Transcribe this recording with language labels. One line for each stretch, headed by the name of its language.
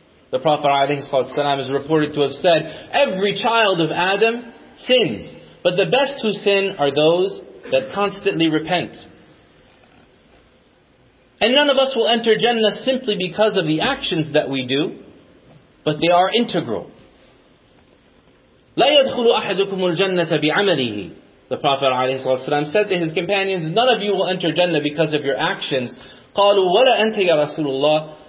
English: The Prophet ﷺ is reported to have said, every child of Adam sins, but the best who sin are those that constantly repent. And none of us will enter Jannah simply because of the actions that we do, but they are integral.
Arabic: لا يدخل أحدكم الجنة بعمله.
English: The Prophet ﷺ said to his companions, none of you will enter Jannah because of your actions.
Arabic: قالوا ولا أنت يا رسول الله.